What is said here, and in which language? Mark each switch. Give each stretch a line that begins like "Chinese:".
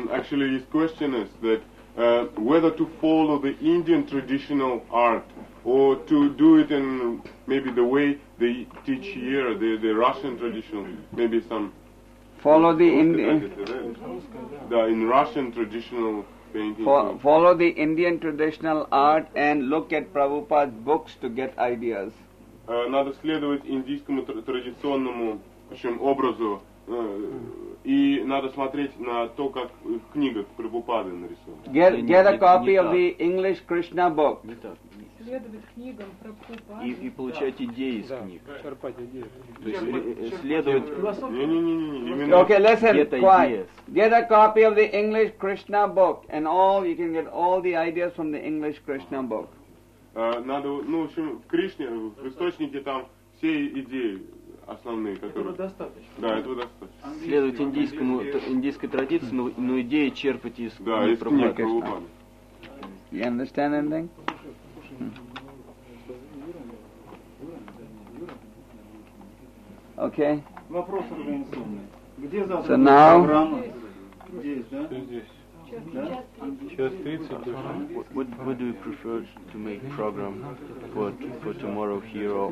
English: Actually, his question is that whether to follow the Indian traditional art or to do it in maybe the way they teach here, the Russian traditional, maybe some. Follow the Indian. The in Russian traditional painting. Follow the Indian traditional art and look at Prabhupada's books to get ideas.
Russian: Надо следовать индийскому традиционному, в общем, образу. И надо смотреть на то, как в книгах Прабхупады нарисовано.
English: Get a copy of the English Krishna book.
Russian: Следовать книгам Прабхупады. И получать идеи из книг. Черпать идеи. То есть следовать... Не-не-не-не.
English: Okay, listen, quiet. Get a copy of the English Krishna book and all you can get all the ideas from the English Krishna book.
Russian: Надо, ну, в общем, в Кришне, в источнике там все идеи основные, которые... Этого достаточно. Да, этого достаточно. Следовать индийскому, индийской традиции, но идеи черпать из... Да, из книг Прабхупады.
English: You understand anything? Okay.
Russian: Вопрос организационный. Где завтра программа? Здесь, да? Здесь.
English: What do you prefer to make program for tomorrow here or